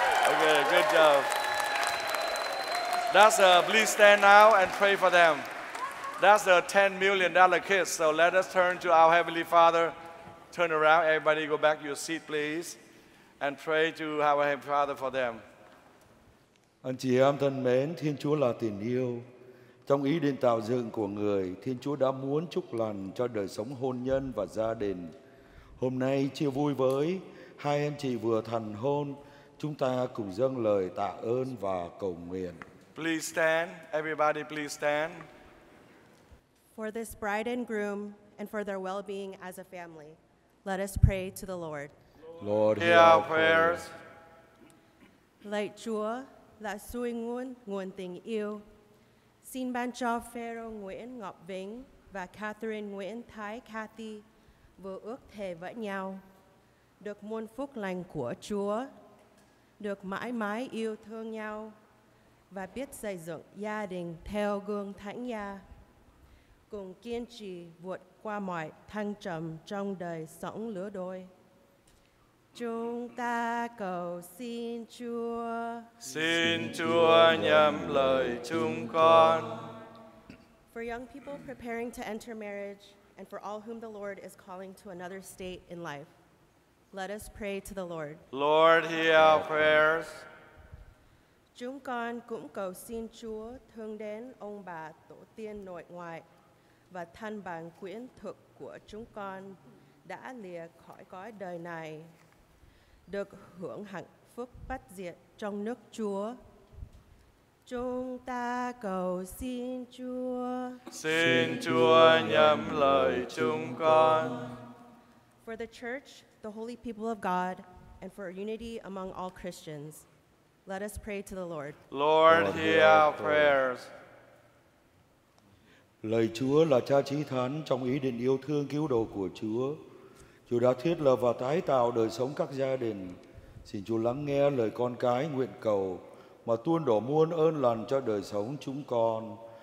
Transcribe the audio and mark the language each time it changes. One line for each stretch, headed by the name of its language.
English: Okay, good job. Please stand now and pray for them. That's a $10 million kiss. So let us turn to our Heavenly Father. Turn around, everybody go back to your seat, please. And pray to our Heavenly Father for them.
Vietnamese: Anh chị em thân mến, Thiên Chúa là tình yêu. Trong ý định tạo dựng của Người, Thiên Chúa đã muốn chúc lành cho đời sống hôn nhân và gia đình. Hôm nay chia vui với hai anh chị vừa thành hôn, chúng ta cùng dâng lời tạ ơn và cầu nguyện.
English: Please stand, everybody please stand. For this bride and groom and for their well-being as a family, let us pray to the Lord. Lord, hear our prayers.
Vietnamese: Lạy Chúa, là suy nguồn, nguồn tình yêu. Xin ban cho Pharaoh Nguyễn Ngọc Vĩnh và Catherine Nguyễn Thái Cathy vừa ước thề với nhau được muôn phúc lành của Chúa, được mãi mãi yêu thương nhau và biết xây dựng gia đình theo gương Thánh Gia, cùng kiên trì vượt qua mọi thăng trầm trong đời sống lứa đôi. Chúng ta cầu xin Chúa. Xin Chúa nhậm lời chúng con.
English: For young people preparing to enter marriage and for all whom the Lord is calling to another state in life, let us pray to the Lord. Lord, hear our prayers.
Vietnamese: Chúng con cũng cầu xin Chúa thương đến ông bà tổ tiên nội ngoại và thân bằng quyến thuộc của chúng con đã lìa khỏi cõi đời này, được hưởng hạnh phúc bất diệt trong nước Chúa. Chúng ta cầu xin Chúa. Xin Chúa nhậm lời chúng con.
English: For the church, the holy people of God, and for unity among all Christians, let us pray to the Lord. Lord, hear our prayers.
Vietnamese: Lời Chúa là cha chí thánh trong ý định yêu thương cứu độ của Chúa. Chúa đã thiết lập và tái tạo đời sống các gia đình. Xin Chúa lắng nghe lời con cái nguyện cầu mà tuôn đổ muôn ơn lành cho đời sống chúng con.